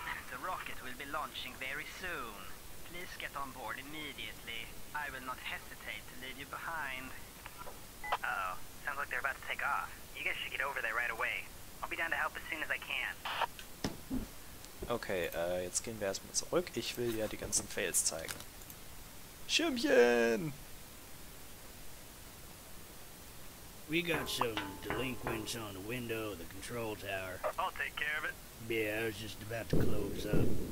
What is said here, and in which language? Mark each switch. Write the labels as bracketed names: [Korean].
[English] The rocket will be launching very soon. Please get on board immediately. I will not hesitate to leave you behind. Uh-oh. Sounds like they're about to take off. You guys should get over there right away. I'll be down to help as soon as I can. [German] Okay, jetzt gehen wir erstmal zurück. Ich will ja die ganzen Fails zeigen. Schirmchen! [English] We got some delinquents on the window of the control tower. I'll take care of it. Yeah, I was just about to close up.